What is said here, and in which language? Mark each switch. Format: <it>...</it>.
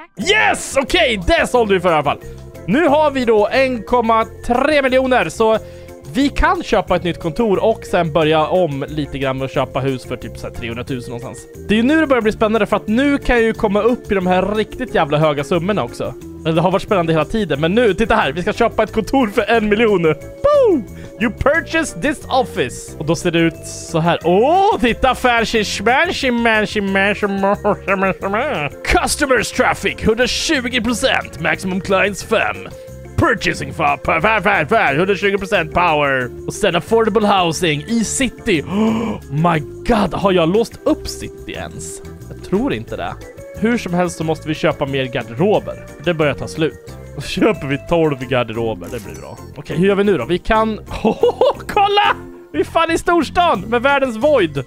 <sv>Yes, okej, okay, det sålde vi för i alla fall. Nu har vi då 1,3 miljoner, så vi kan köpa ett nytt kontor och sen börja om lite grann och köpa hus för typ så här 300 000 någonstans. Det är ju nu det börjar bli spännande, för att nu kan jag ju komma upp i de här riktigt jävla höga summorna också. Det har varit spännande hela tiden, men nu, titta här, vi ska köpa ett kontor för 1 miljon. Boom!</sv> <en>You purchase this office.</en> <sv>Och då ser det ut så här. Åh, titta,</sv> <en>fancy, smashy, mashy, mashy,</en> <sv>mashy, mashy, mashy.</sv> <en>Customers traffic, 120%, maximum clients 5. Purchasing power, 120% power.</en> <sv>Och sen</sv> <en>affordable housing</en> <sv>i city.</sv> <en>Oh my god,</en> <sv>har jag låst upp city ens? Jag tror inte det. Hur som helst så måste vi köpa mer garderober. Det börjar ta slut. Då köper vi 12 garderober. Det blir bra. Okej, okay, hur gör vi nu då? Vi kan... Oh, kolla! Vi är fan i storstan med världens void.</sv>